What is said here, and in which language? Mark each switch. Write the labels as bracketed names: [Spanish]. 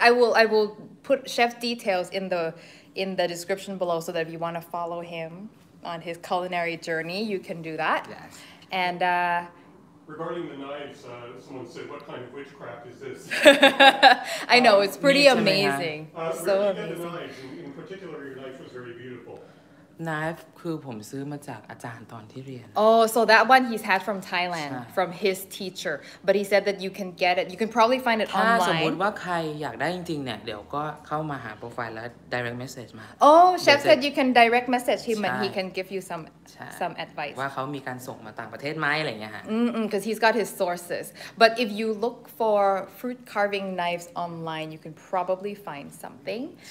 [English] I will put chef details in the description below so that if you want to follow him on his culinary journey, you can do that. Yes. And regarding the knives, someone said, "What kind of witchcraft is this?" I know it's pretty amazing. So amazing. The knives? In particular, your knife was very beautiful. [Thai] Knife คือผมซื้อมาจากอาจารย์ตอนที่เรียน [English] Oh, so that one he's had from Thailand, from his teacher. But he said that you can get it. You can probably find it online. [Thai] ถ้าสมมติว่าใครอยากได้จริงๆเนี่ยเดี๋ยวก็เข้ามาหาโปรไฟล์แล้ว direct message มา [English] Oh, chef said you can direct message him and he can give you some advice. [Thai] ว่าเขามีการส่งมาต่างประเทศไหมอะไรเงี้ยฮะ [English] Because he's got his sources. But if you look for fruit carving knives online, you can probably find something.